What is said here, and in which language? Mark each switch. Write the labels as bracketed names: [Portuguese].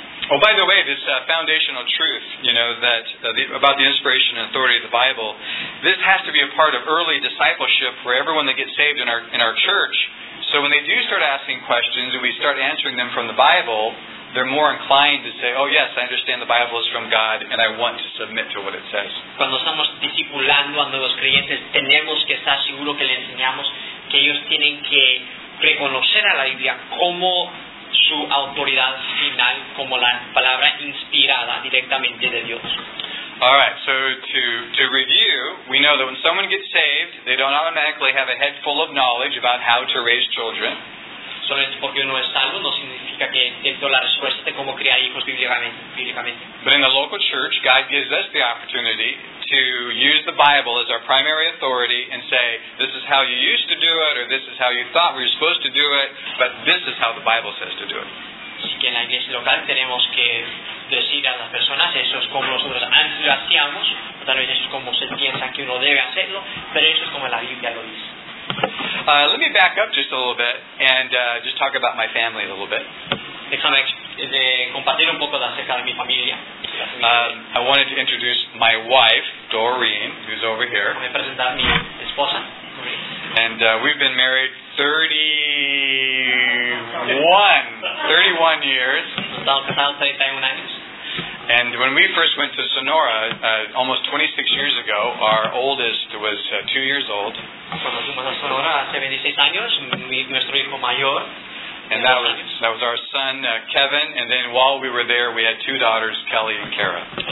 [English] Oh, by the way, this foundational truth, you know, that about the inspiration and authority of the Bible, this has to be a part of early discipleship for everyone that gets saved in our church. So when they do start asking questions and we start answering them from the Bible, they're more inclined to say, oh yes, I understand the Bible is from God and I want to submit to what it says. [Spanish] Cuando estamos discipulando a nuevos creyentes, tenemos que estar seguro que les enseñamos que ellos tienen que reconocer a la Biblia como su autoridad final como la palabra inspirada directamente de Dios. [English] All right, so to review, we know that when someone gets saved, they don't automatically have a head full of knowledge about how to raise children. [Spanish] Solamente porque uno es salvo no significa que tenga toda la respuesta de cómo criar hijos bíblicamente. [English] But in the local church, God gives us the opportunity to use the Bible as our primary authority and say, this is how you used to do it, or this is how you thought we were supposed to do it, but this is how the Bible says to do it. [Spanish] Así que en la iglesia local tenemos que decir a las personas, eso es como nosotros antes lo hacíamos, o tal vez eso es como se piensa que uno debe hacerlo, pero eso es como la Biblia lo dice. [English] Let me back up just a little bit and just talk about my family a little bit. [Spanish] Déjame compartir un poco acerca de mi familia. [English] I wanted to introduce my wife, Doreen, who's over here. [Spanish] Me presenta mi esposa. [English] And we've been married 31 years. [Spanish] Estamos casados 31 años. [English] And when we first went to Sonora, almost 26 years ago, our oldest was 2 years old. [Spanish] Cuando fuimos a Sonora hace 26 años, nuestro hijo mayor. [English] And that was our son, Kevin. And then while we were there, we had 2 daughters, Kelly and Kara.